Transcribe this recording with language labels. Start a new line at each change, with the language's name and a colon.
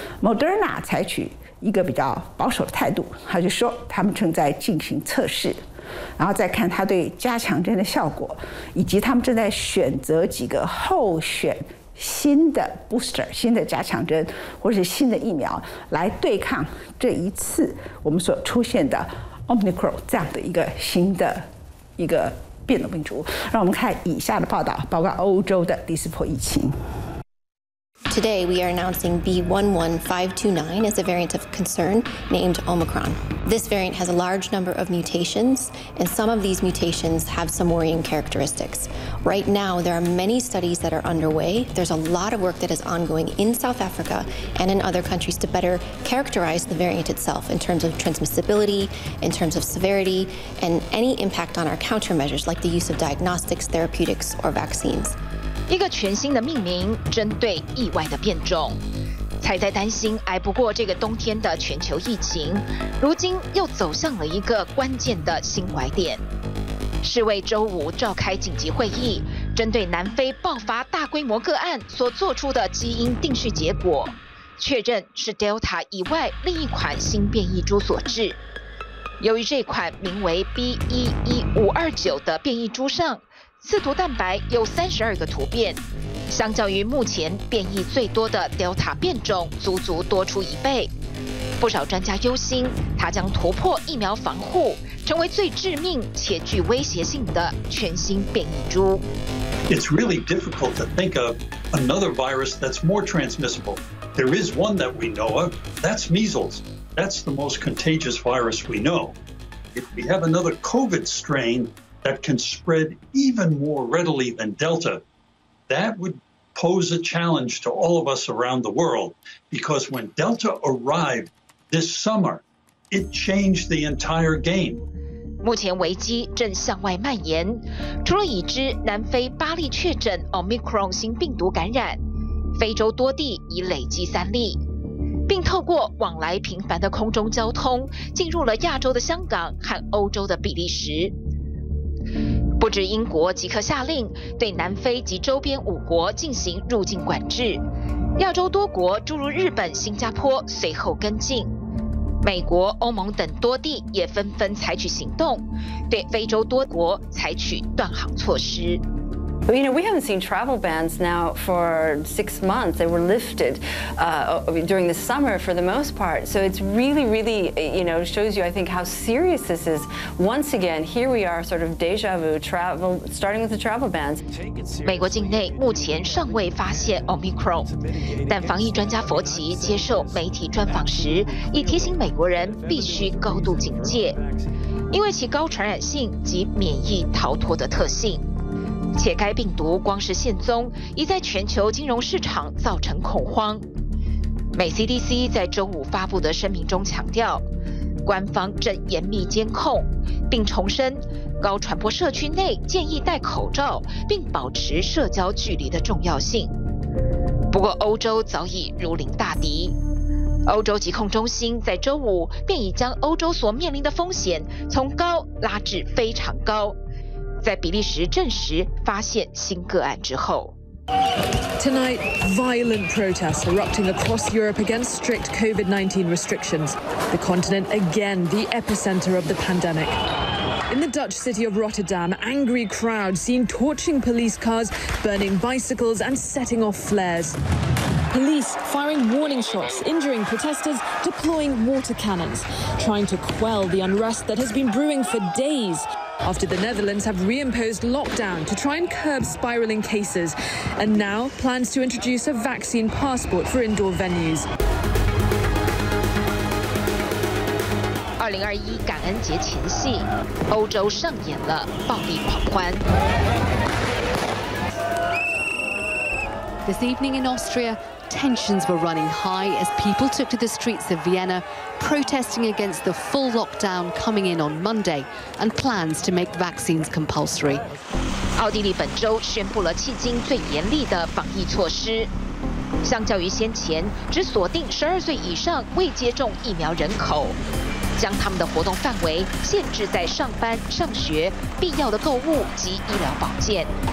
Chinese: Moderna 采取一个比较保守的态度，他就说他们正在进行测试，然后再看他对加强针的效果，以及他们正在选择几个候选新的 booster 新的加强针或是新的疫苗来对抗这一次我们所出现的 Omicron 这样的一个新的一个变种病毒。让我们看以下的报道，包括欧洲的第四波疫情。
English: Today we are announcing B.1.1529 as a variant of concern named Omicron. This variant has a large number of mutations, and some of these mutations have some worrying characteristics. Right now there are many studies that are underway. There's a lot of work that is ongoing in South Africa and in other countries to better characterize the variant itself in terms of transmissibility, in terms of severity, and any impact on our countermeasures like the use of diagnostics, therapeutics, or vaccines.
Chinese: 一个全新的命名，针对意外的变种。才在担心挨不过这个冬天的全球疫情，如今又走向了一个关键的新拐点。世卫周五召开紧急会议，针对南非爆发大规模个案所做出的基因定序结果，确认是 Delta 以外另一款新变异株所致。由于这款名为 B.1.1.529 的变异株上刺突蛋白有32个突变，相较于目前变异最多的 Delta 变种足足多出一倍，不少专家忧心它将突破疫苗防护，成为最致命且具威胁性的全新变异株。
English: It's really difficult to think of another virus that's more transmissible. There is one that we know of, that's measles. That's the most contagious virus we know. If we have another COVID strain that can spread even more readily than Delta, that would pose a challenge to all of us around the world. Because when Delta arrived this summer, it changed the entire game.
Chinese: 目前危机正向外蔓延，除了已知南非巴黎确诊 Omicron 新病毒感染，非洲多地已累积三例，并透过往来频繁的空中交通进入了亚洲的香港和欧洲的比利时。不止英国即刻下令对南非及周边五国进行入境管制，亚洲多国诸如日本、新加坡随后跟进，美国、欧盟等多地也纷纷采取行动，对非洲多国采取断航措施。
English: You know, we haven't seen travel bans now for 6 months. They were lifted during the summer for the most part. So it's really, really, you know, shows you, I think, how serious this is. Once again, here we are, sort of deja vu, travel, starting with the travel bans.
Chinese: 美国境内目前尚未发现 Omicron， 但防疫专家佛奇接受媒体专访时，已提醒美国人必须高度警戒，因为其高传染性及免疫逃脱的特性。且该病毒光是现踪已在全球金融市场造成恐慌。美 CDC 在周五发布的声明中强调，官方正严密监控，并重申高传播社区内建议戴口罩并保持社交距离的重要性。不过欧洲早已如临大敌，欧洲疾控中心在周五便已将欧洲所面临的风险从高拉至非常高，在比利时证实发现新个案之后。
English: Tonight, violent protests erupting across Europe against strict COVID-19 restrictions. The continent again the epicenter of the pandemic. In the Dutch city of Rotterdam, angry crowds seen torching police cars, burning bicycles and setting off flares. Police firing warning shots, injuring protesters, deploying water cannons, trying to quell the unrest that has been brewing for days. After the Netherlands have reimposed lockdown to try and curb spiraling cases, and now plans to introduce a vaccine passport for indoor venues.
Chinese: 2021感恩节前夕，欧洲上演了暴力狂欢。
English: This evening in Austria, tensions were running high as people took to the streets of Vienna. Protesting against the full lockdown coming in on Monday and plans to make vaccines compulsory.
Chinese: 奥地利本周宣布了迄今最严厉的防疫措施，相较于先前只锁定12岁以上未接种疫苗人口，将他们的活动范围限制在上班、上学、必要的购物及医疗保健。